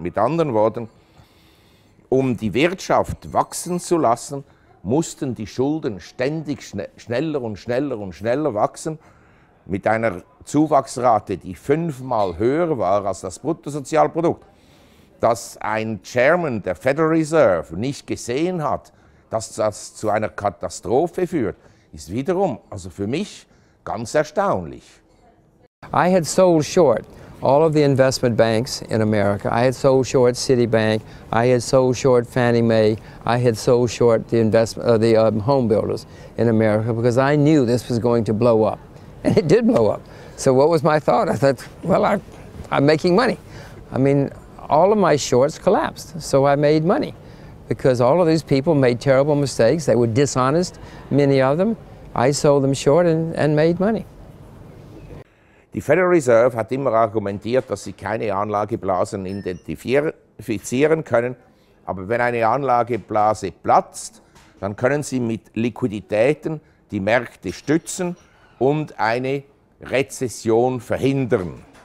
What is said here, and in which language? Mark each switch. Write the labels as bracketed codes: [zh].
[de] Mit anderen Worten, um die Wirtschaft wachsen zu lassen, mussten die Schulden ständig schneller und schneller und schneller wachsen, mit einer Zuwachsrate, die 5-mal höher war als das Bruttosozialprodukt. Dass ein Chairman der Federal Reserve nicht gesehen hat, dass das zu einer Katastrophe führt, ist wiederum, also für mich, ganz erstaunlich. [en] I had sold short all of the investment banks in America. I had sold short Citibank, I had sold short Fannie Mae, I had sold short the investment, home builders in America, because I knew this was going to blow up. And it did blow up. So what was my thought? I thought, well, I'm making money. I mean, all of my shorts collapsed, so I made money. Because all of these people made terrible mistakes, they were dishonest, many of them. I sold them short and made money. [de] Die Federal Reserve hat immer argumentiert, dass sie keine Anlageblasen identifizieren können. Aber wenn eine Anlageblase platzt, dann können sie mit Liquiditäten die Märkte stützen und eine Rezession verhindern.